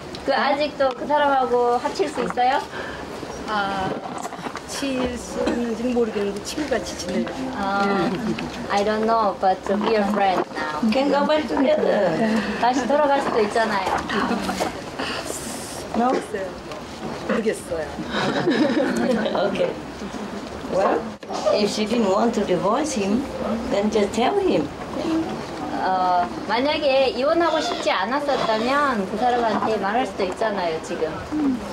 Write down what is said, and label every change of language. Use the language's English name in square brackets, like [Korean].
[Korean] 그 아직도 그 사람하고 합칠 수 있어요? 아, 합칠 수 있는지 모르겠는데 친구같이 지내요. [English] I don't know, but we are friends now. Can go back together. [Korean] 다시 돌아갈 수도 있잖아요. [English] No? [Korean] 모르겠어요. [English] Okay. Well, if she didn't want to divorce him, then just tell him. [Korean] 만약에 이혼하고 싶지 않았었다면 그 사람한테 말할 수도 있잖아요, 지금.